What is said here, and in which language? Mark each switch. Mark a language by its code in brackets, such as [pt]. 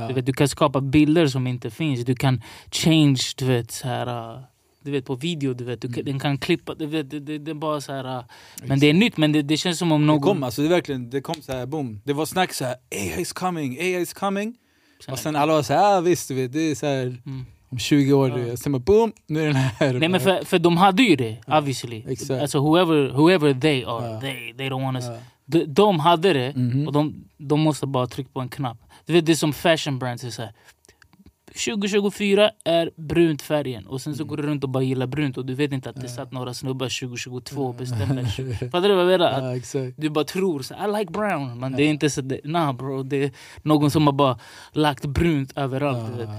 [sv] Du vet, du kan skapa bilder som inte finns. Du kan change, du vet, så här, du vet, på video, du vet, den kan klippa, du vet, det är bara så här. Men det är nytt, men det känns som om någon... Det kom, alltså det verkligen, det kom så här, boom. Det var snack så här, [en] AI is coming. [sv] Sen och sen alla var så här, visst, du vet, det är så här... Mm. 20 år, jag stämmer, boom, nu är den här. Nej, men för de hade ju det, [en] obviously. Exactly. [sv] Alltså, [en] whoever they are, they don't want us. [sv] De hade det, och de måste bara trycka på en knapp. Du vet, det är som fashion brands, så här. 2024 är brunt färgen, och sen så går du runt och bara gillar brunt, och du vet inte att det satt några snubbar 2022 och bestämde. Fattar du vad jag menar? Du bara tror, så, [en] I like brown, [sv] men det är inte så, [en] nah bro, [sv] det är någon som har bara lagt brunt överallt.